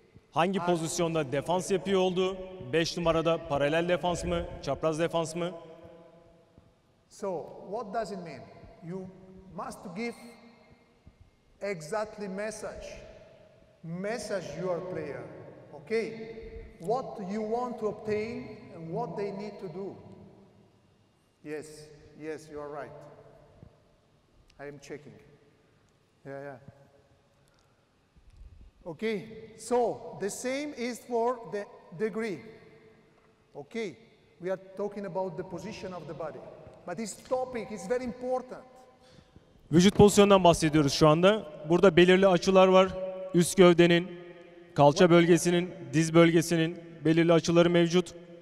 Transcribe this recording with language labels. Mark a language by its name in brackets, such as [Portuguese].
[Turkish] Hangi pozisyonda defans yapıyor oldu? 5 numarada paralel defans mı, çapraz defans mı? [English] So, what does it mean? You must give exactly message. Message your player. Okay? What you want to obtain and what they need to do. Yes, yes, you are right. I am checking. Yeah, yeah. Okay, so the same is for the degree. Okay, we are talking about the position of the body. But this topic is very important. [Turkish] Vücut pozisyonundan bahsediyoruz şu anda. Burada belirli açılar var. Üst gövdenin, kalça bölgesinin, diz bölgesinin belirli açıları mevcut.